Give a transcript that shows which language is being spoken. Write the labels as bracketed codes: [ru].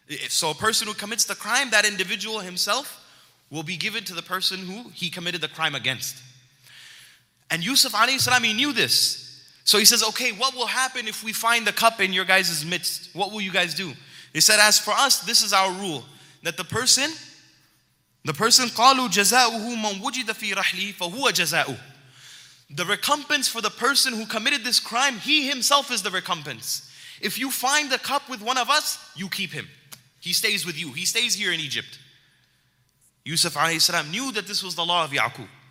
[en] So a person who commits the crime, that individual himself will be given to the person who he committed the crime against. And Yusuf alayhi salam, he knew this. So he says, okay, what will happen if we find the cup in your guys' midst? What will you guys do? He said, as for us, this is our rule. That the person, [ar] قَالُوا جَزَاؤُهُ مَنْ وُجِدَ فِي رَحْلِهِ فَهُوَ جَزَاؤُهُ. [en] The recompense for the person who committed this crime, he himself is the recompense. If you find the cup with one of us, you keep him. He stays with you. He stays here in Egypt. Yusuf alayhi salam knew that this was the law of Yaqub.